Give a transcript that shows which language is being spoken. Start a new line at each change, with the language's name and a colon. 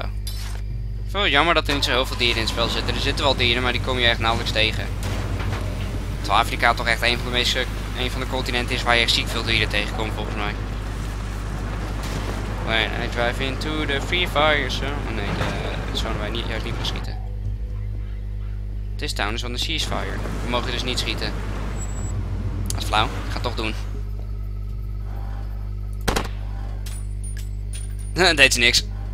Dutch: Ik vind het wel jammer dat er niet zo heel veel dieren in het spel zitten. Er zitten wel dieren, maar die kom je echt nauwelijks tegen. Terwijl Afrika toch echt een van de continenten is waar je echt ziek veel dieren tegenkomt, volgens mij.
English: When I drive into the free fire zone.
Dutch: Nee, dat zouden wij juist niet meer schieten.
English: This town is on the ceasefire.
Dutch: We mogen dus niet schieten. Dat is flauw. Ik ga het toch doen. Deed ze niks.